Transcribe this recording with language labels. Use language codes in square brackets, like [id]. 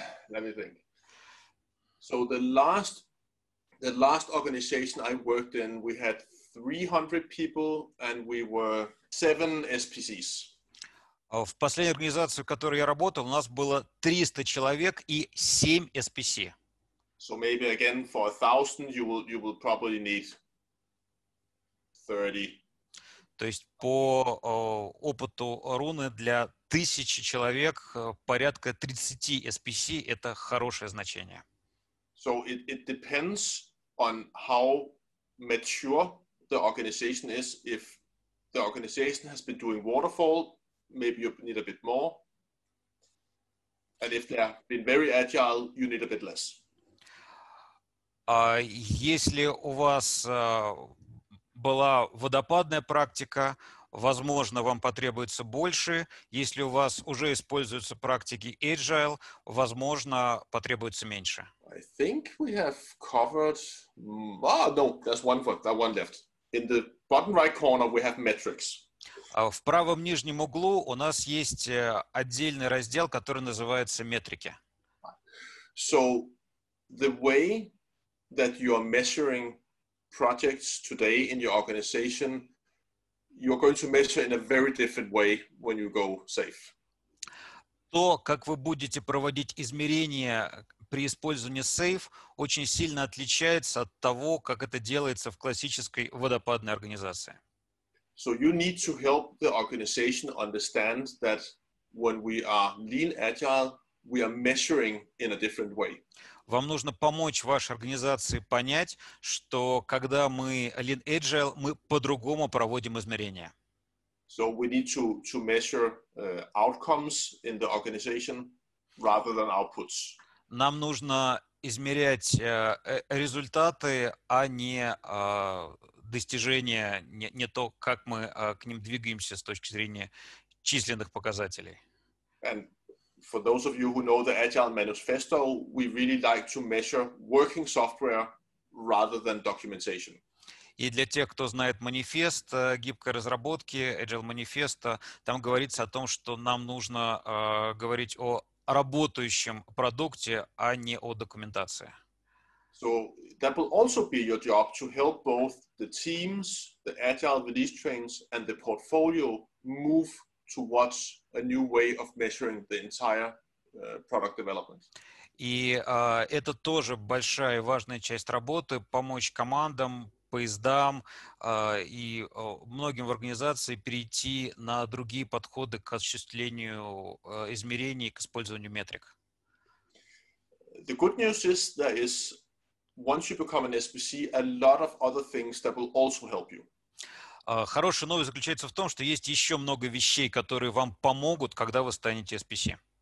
[en] Let me think. So the last organization I worked in, we had 300 people and we were 7 SPCs. [ru] В последней организации, в которой я работал, у нас было 300 человек и 7 SPC. [en] So maybe again for 1000 you will probably need 30. [ru] То есть по опыту Руны для 1000 человек порядка 30 SPC это хорошее значение. [en] So it depends on how mature the organization is. If the organization has been doing waterfall, maybe you need a bit more. And if they have been very agile, you need a bit less. [ru] Если у вас была водопадная практика, возможно, вам потребуется больше. Если у вас уже используются практики agile, возможно, потребуется меньше. [en] I think we have covered... Oh, no, there's one foot, that one left. In the bottom right corner we have metrics. [ru] В правом нижнем углу у нас есть отдельный раздел, который называется метрики. [en] So, the way that you are measuring projects today in your organization, you're going to measure in a very different way when you go safe. [ru] То, как вы будете проводить измерения при использовании сейф, очень сильно отличается от того, как это делается в классической водопадной организации. [en] So you need to help the organization understand that when we are lean agile, we are measuring in a different way. [ru] Вам нужно помочь вашей организации понять, что когда мы lean agile, мы по-другому проводим измерения. [en] So we need to measure outcomes in the organization rather than outputs. [ru] Нам нужно измерять результаты, а не достижения, не то, как мы к ним двигаемся с точки зрения численных показателей. [en] And for those of you who know the Agile Manifesto, we really like to measure working software rather than documentation. [ru] И для тех, кто знает манифест гибкой разработки, Agile Manifesto, там говорится о том, что нам нужно говорить о работающем продукте, а не о документации. [en] So that will also be your job to help both the teams, the agile release trains, and the portfolio move towards a new way of measuring the entire product development. [ru] И это тоже большая и важная часть работы, помочь командам, поездам и многим в организации перейти на другие подходы к осуществлению измерений, к использованию метрик. [en] the good news is there is, once you become an SBC, a lot of other things that will also help you. [ru] Хорошая новость заключается в том, что есть еще много вещей, которые вам помогут, когда вы станете SBC.